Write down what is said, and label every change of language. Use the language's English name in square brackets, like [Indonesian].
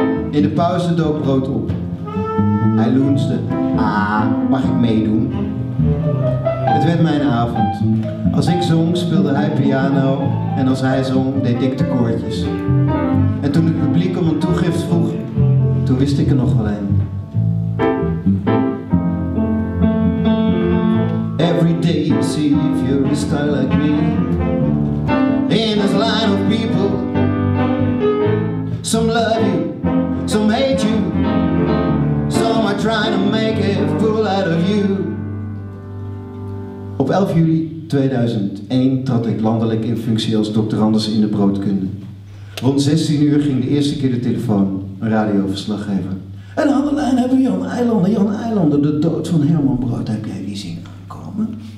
[Dutch] In de pauze dook Brood op. Hij loensde: ah, mag ik meedoen? Het werd mijn avond. Als ik zong, speelde hij piano. En als hij zong, deed ik de koortjes. En toen het publiek om een toegift vroeg, toen wist ik er nog wel een. [English] Every day you see if you're a star like me. In this line of people. Some love you, some hate you. Some are trying to make a fool out of you. [Dutch] Op 11 juli 2001 trad ik landelijk in functie als doctorandus in de broodkunde. Rond 16 uur ging de eerste keer de telefoon, een radioverslaggever. En aan de lijn hebben we Jan Eilander. Jan Eilander, de dood van Herman Brood, heb jij die zien aankomen?